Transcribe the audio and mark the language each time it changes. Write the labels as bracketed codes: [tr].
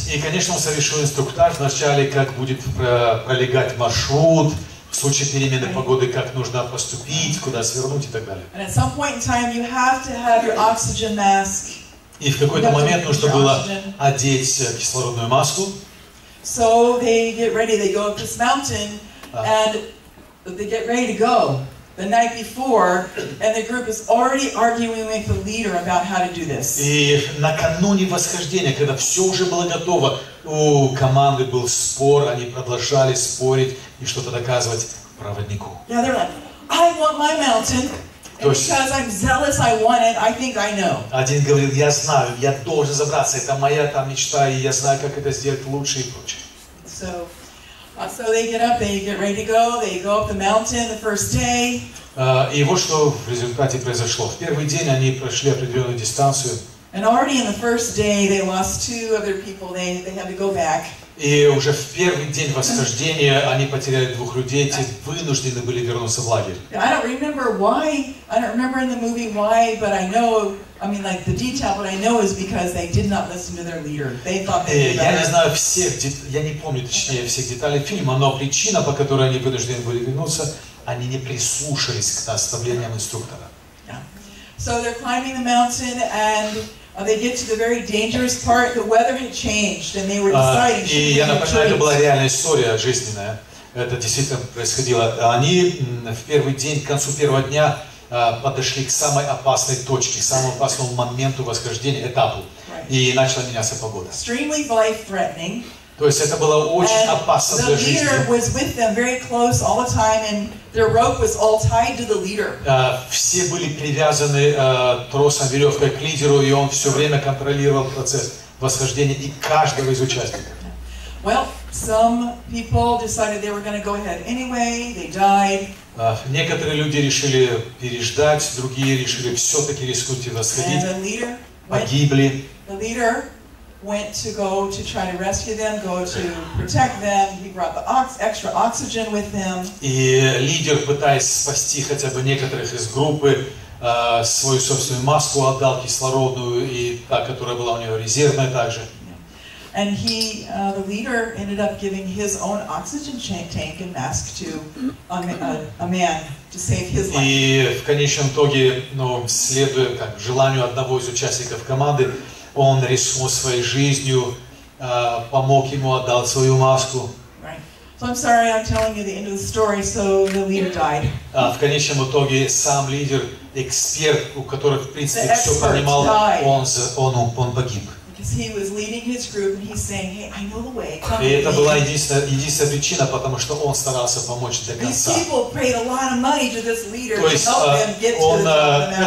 [ru] И, конечно, он совершил инструктаж вначале, как будет пролегать маршрут. В случае перемены погоды, как нужно поступить, куда свернуть и так далее. [en] And at some point in time you have to have your oxygen mask. [ru] И в какой-то момент нужно было одеть кислородную маску. [en] So they get ready, they go up this mountain, and they get ready to go the night before, and the group is already arguing with the leader about how to do this. [ru] И накануне восхождения, когда все уже было готово, у команды был спор, они продолжали спорить и что-то доказывать проводнику. [en] Yeah, they're like, I want my mountain, and because I'm zealous, I want it, I think I know. [ru] Один говорил, я знаю, я должен забраться, это моя там мечта, и я знаю, как это сделать лучше и прочее. [en] So they get up, they get ready to go, they go up the mountain the first day. [ru] И вот что в результате произошло. В первый день они прошли определенную дистанцию. [en] And already in the first day, they lost two other people. They had to go back. [ru] И уже в первый день восхождения они потеряли двух людей, те вынуждены были вернуться в лагерь. [en] I don't remember why. I don't remember in the movie why, but I know. I mean, like the detail, but I know is because they did not listen to their leader. They thought they were better. [ru] Я не знаю всех деталей. Я не помню, точнее, всех деталей фильма. Но причина, по которой они вынуждены были вернуться, они не прислушались к наставлениям инструктора. [en] So they're climbing the mountain, and they get to the very dangerous part. The weather had changed, and they were deciding. [ru] И я напоминаю, это была реальная история жизненная. Это действительно происходило. Они в первый день, к концу первого дня, подошли к самой опасной точке, к самому опасному моменту восхождения, этапу, и начала меняться погода. [en] Extremely life-threatening. [ru] То есть это было очень опасно для жизни. [en] The leader was with them very close all the time, and their rope was all tied to the leader. [ru] Все были привязаны тросом, веревкой к лидеру, и он все время контролировал процесс восхождения и каждого из участников. [en] Well, some people decided they were going to go ahead anyway. They died. [ru] Некоторые люди решили переждать, другие решили все-таки рискнуть и восходить. [en] And the leader [ru] погибли. [en] The leader went to go to try to rescue them, go to protect them. He brought the extra oxygen with him. [ru] И лидер, пытаясь спасти хотя бы некоторых из группы, свою собственную маску отдал кислородную и та, которая была у него резервная также. [en] And he, the leader, ended up giving his own oxygen tank and mask to a man to save his life. [ru] И в конечном итоге, следуя как желанию одного из участников команды. Он рискнул своей жизнью, помог ему, отдал свою маску. [en] Right. So I'm sorry, I'm telling you the end of the story, so the leader died. [ru] В конечном итоге сам лидер, эксперт, у которого в принципе все понимал, он погиб. [en] Because he was leading his group and he's saying, "Hey, I know the way. Come with me." [ru] И это была единственная причина, потому что он старался помочь до конца. [en] These people paid a lot of money to this leader to help them get to the mountain.